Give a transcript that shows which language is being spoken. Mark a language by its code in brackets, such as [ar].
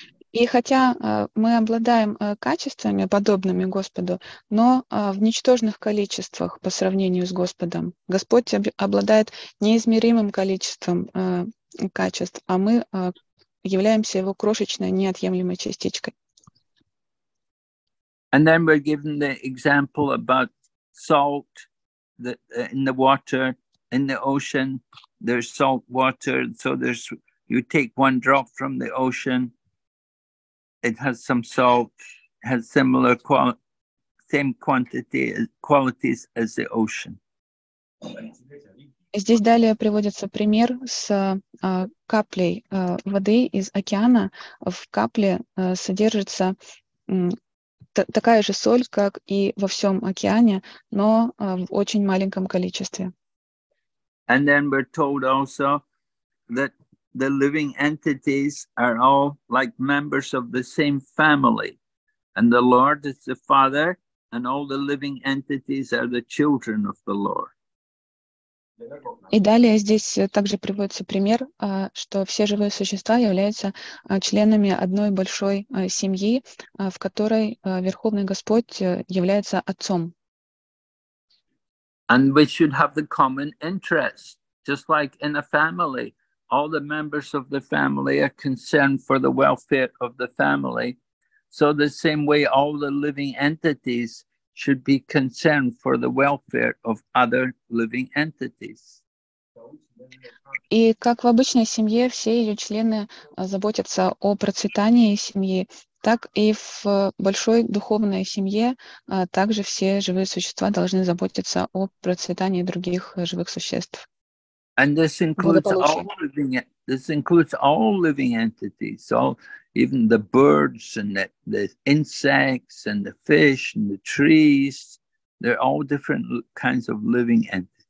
[ru] И хотя мы обладаем качествами, подобными Господу, но в ничтожных количествах по сравнению с Господом. Господь обладает неизмеримым количеством качеств, а мы являемся Его крошечной, неотъемлемой частичкой. [en] And then we're given the example about salt in the water, in the ocean, there's salt water, so there's You take one drop from the ocean, it has some salt, has similar same qualities as the ocean. [ru] Здесь далее приводится пример с каплей воды из океана. В капле содержится такая же соль, как и во всем океане, но в очень маленьком количестве. [en] And then we're told also that the living entities are all like members of the same family. And the Lord is the Father, and all the living entities are the children of the Lord. [ru] И далее здесь также приводится пример, что все живые существа являются членами одной большой семьи, в которой Верховный Господь является отцом. [en] And we should have the common interest, just like in a family. All the members of the family are concerned for the welfare of the family. So the same way all the living entities should be concerned for the welfare of other living entities. [ru] И как в обычной семье все ее члены заботятся о процветании семьи, так и в большой духовной семье также все живые существа должны заботиться о процветании других живых существ. [en] And this includes all living entities, all, even the birds and the insects and the fish and the trees, they're all different kinds of living entities.